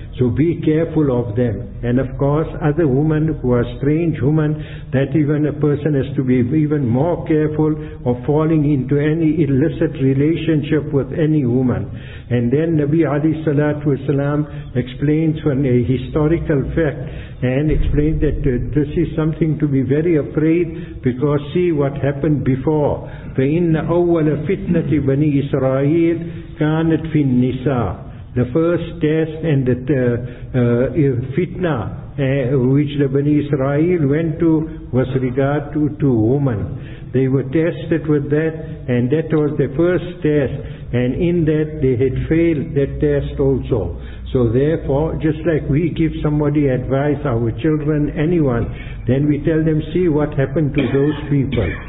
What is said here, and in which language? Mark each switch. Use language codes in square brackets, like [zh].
[en] So be careful of them. And of course, other women who are strange women, that even a person has to be even more careful of falling into any illicit relationship with any woman. And then Nabi alayhi salatu wasalam explains a historical fact, and explained that this is something to be very afraid, because see what happened before. [ar] فَإِنَّ أَوَّلَ فِتْنَةِ بَنِي إِسْرَائِيلِ كَانَتْ فِي النِّسَاءِ. [en] The first test and the fitna which the Bani Israel went to was regard to woman. They were tested with that, and that was the first test, and in that they had failed that test also. So therefore, just like we give somebody advice, our children, anyone, then we tell them, see what happened to those people.